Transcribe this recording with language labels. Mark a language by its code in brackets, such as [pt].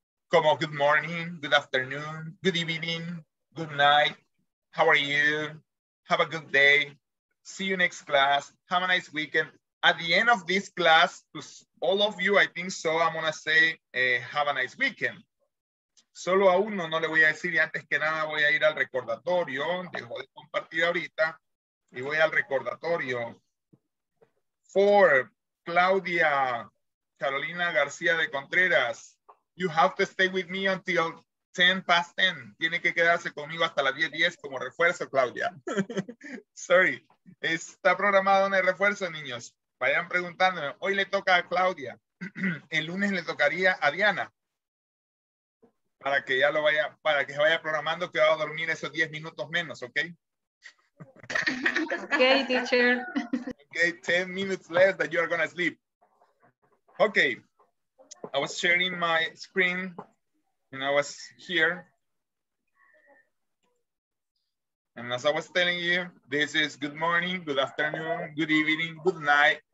[es] Como [en] good morning, good afternoon, good evening, good night, how are you, have a good day, see you next class, have a nice weekend. At the end of this class, all of you, I think so, I'm going to say, have a nice weekend. [es] Solo a uno no le voy a decir, y antes que nada voy a ir al recordatorio, dejo de compartir ahorita, y voy al recordatorio. [en] For Claudia Carolina García de Contreras, you have to stay with me until 10 past 10. [es] Tiene que quedarse conmigo hasta las 10:10 como refuerzo, Claudia. Sorry. Está programado en el refuerzo, niños. Vayan preguntándome. Hoy le toca a Claudia. El lunes le tocaría a Diana. Para que ya lo vaya, para que se vaya programando que va a dormir esos 10 minutos menos, ¿ok? [en] Ok, teacher. Ok, 10 minutes less that you are going to sleep. Ok. I was sharing my screen and I was here. And as I was telling you, this is good morning, good afternoon, good evening, good night.